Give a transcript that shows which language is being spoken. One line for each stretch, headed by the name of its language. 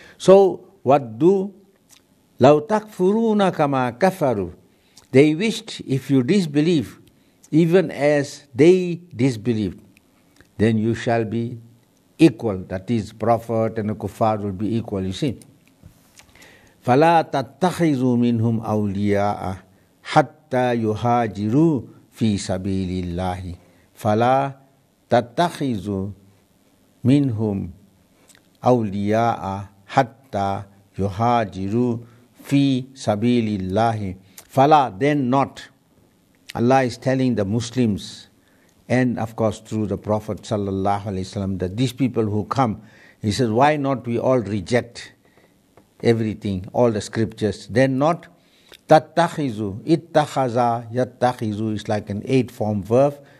English: So, what do?
Arabic: Lau takfuruna kama kafaru.
English: They wished, if you disbelieve, even as they disbelieved, then you shall be equal. That is, Prophet and the Kuffar will be equal, you see.
Arabic: فَلَا تَتَّخِذُوا مِنْهُمْ أَوْلِيَاءَ حَتَّى يُهَاجِرُوا فِي سَبِيلِ اللَّهِ فَلَا تَتَّخِذُوا مِنْهُمْ أَوْلِيَاءَ حَتَّى يُهَاجِرُوا فِي سَبِيلِ اللَّهِ Fala,
English: then not. Allah is telling the Muslims, and of course through the Prophet sallallahu alaihi wasallam, that these people who come, he says, why not we all reject everything, all the scriptures? Then not. Tattakhizu, ittakhaza, yattakhizu is like an eight-form verb.